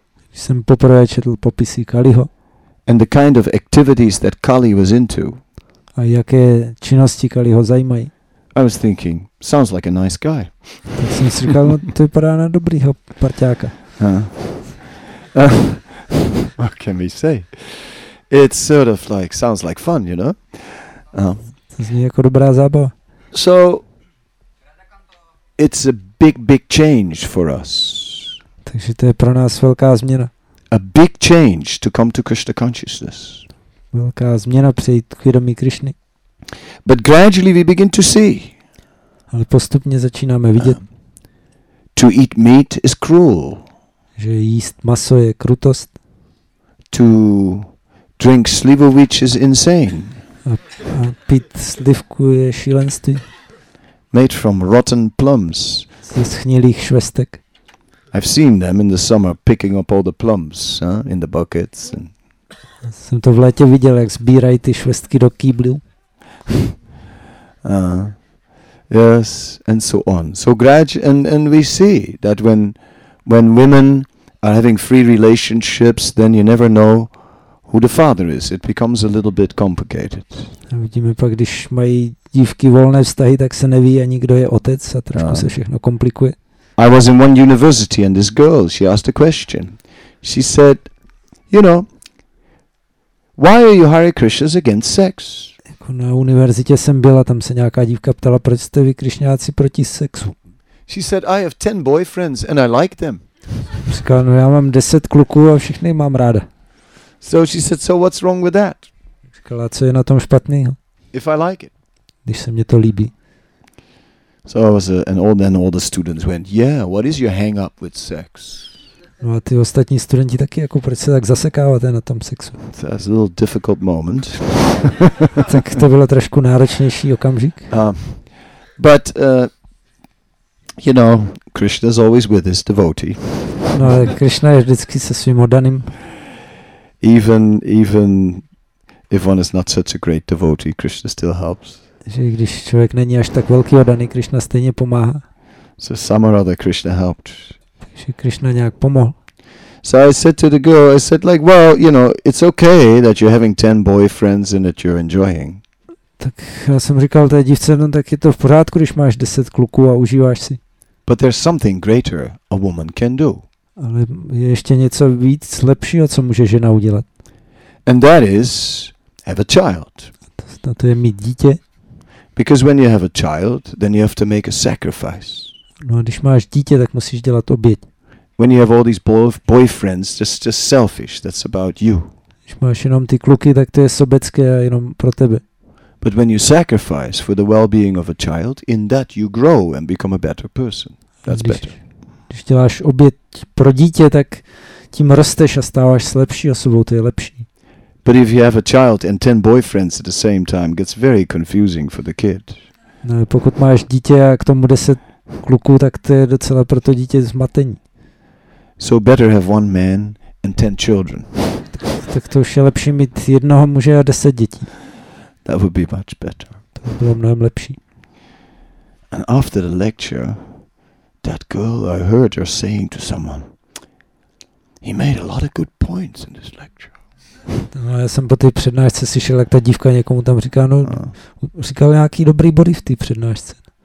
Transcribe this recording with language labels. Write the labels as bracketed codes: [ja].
[cs] Když jsem poprvé četl popisy Kaliho. [en] And the kind of activities that Kali was into. [cs] A jaké činnosti Kaliho zajímají. [en] I was thinking, sounds like a nice guy. [cs] Tak jsem si říkal, to vypadá na dobrýho parťáka. [en] What can we say? It's sort of like, sounds like fun, you know? [cs] To zní jako dobrá zábava. [en] So, it's a big, big change for us. [cs] Takže to je pro nás velká změna. [en] A big change to come to Krishna consciousness. [cs] Velká změna přejít k vědomí Krišny. [en] But gradually we begin to see. [cs] Ale postupně začínáme vidět. [en] To eat meat is cruel. [cs] Že jíst maso je krutost. [en] To drink slivovice is insane. [cs] A pít slivku je šílenství. [en] Made from rotten plums. [cs] Ze schnilých švestek. [en] I've seen them in the summer picking up all the plums, in the buckets. And [cs] jsem to v létě viděl, jak sbírají ty švestky do kýblů. [en] Yes, and so on. So gradually, and we see that when women are having free relationships, then you never know who the father is. It becomes a little bit complicated. [cs] A vidíme pak, když mají dívky volné vztahy, tak se neví ani kdo je otec a trošku se všechno komplikuje. [en] I was in one university and this girl, she asked a question. She said, you know, why are you Hare Krishnas against sex? [cs] Na univerzitě jsem byla, tam se nějaká dívka ptala, proč jste vy Krišňáci proti sexu. [en] She said, I have 10 boyfriends and I like them. [cs] Říkala, no já mám 10 kluků a všechny mám ráda. [en] So she said, so what's wrong with that? [cs] Říkala, co je na tom špatného? [en] If I like it. [cs] Když se mě to líbí. [en] So I was and all the students went, yeah, what is your hang up with sex? [cs] No a ty ostatní studenti taky, jako proč se tak zasekáváte na tom sexu? [en] That's a little difficult moment. [cs] Tak to bylo trošku náročnější okamžik. [en] But Krishna is always with his devotee. [cs] No ale Krishna je vždycky se svým oddaným. [en] even if one is not such a great devotee, Krishna still helps. [cs] Že když člověk není až tak velký oddaný, Krishna stejně pomáhá. [en] So somehow or other Krishna helped. [cs] Takže Krishna nějak pomohl. [en] So I said to the girl, I said like, well, you know, it's okay that you're having 10 boyfriends and that you're enjoying. [cs] Tak já jsem říkal té dívce, no tak je to v pořádku, když máš 10 kluků a užíváš si. [en] But there's something greater a woman can do. [cs] Ale je ještě něco víc lepšího, co může žena udělat. [en] And that is have a child. [cs] To je mít dítě. [en] Because when you have a child, then you have to make a sacrifice. [cs] No, když máš dítě, tak musíš dělat oběť. [en] When you have all these boyfriends, that's just selfish. That's about you. [cs] Když máš jenom ty kluky, tak to je sobecké a jenom pro tebe. [en] But when you sacrifice for the well-being of a child, in that you grow and become a better person. That's better. [cs] Když děláš oběť pro dítě, tak tím rosteš a stáváš se lepší osobou, to je lepší. [en] But if you have a child and 10 boyfriends at the same time, gets very confusing for the kid. [cs] No, pokud máš dítě a k tomu 10 kluků, tak to je docela pro to dítě zmatení. [en] So better have one man and 10 children. [cs] Tak to už je lepší mít jednoho muže a 10 dětí. [en] That would be much better. [cs] To by bylo mnohem lepší. [en] And after the lecture, that girl I heard her saying to someone, he made a lot of good points in this lecture. [cs] No, já jsem po té přednášce slyšel, jak ta dívka někomu tam říká, no, říkal nějaký dobrý body v té přednášce.